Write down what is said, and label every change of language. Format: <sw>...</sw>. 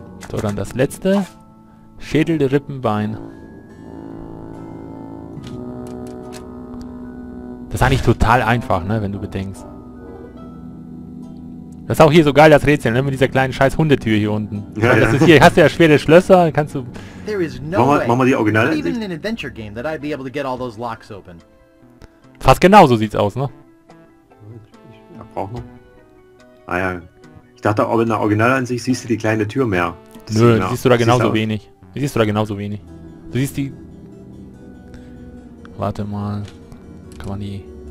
<de>So, dann das letzte. Schädel, Rippenbein. Das ist eigentlich total einfach, ne, wenn du bedenkst. Das ist auch hier so geil, das Rätsel, ne? Mit dieser kleinen scheiß Hundetür hier unten. Ja, das ja. Ist hier, hast du ja schwere Schlösser, kannst du... No mach mal die Originale.</de> <en>Even in an adventure game that I'd be able to get all those locks open.</en> <de>Fast genau so sieht's aus, ne? Ja, brauch noch. Ah ja. Ich dachte, aber in der Originalansicht siehst du die kleine Tür mehr. Das nö, genau. Siehst du da genauso wenig. Siehst du da genauso wenig. Du siehst die... Warte mal. Kann man die...</de>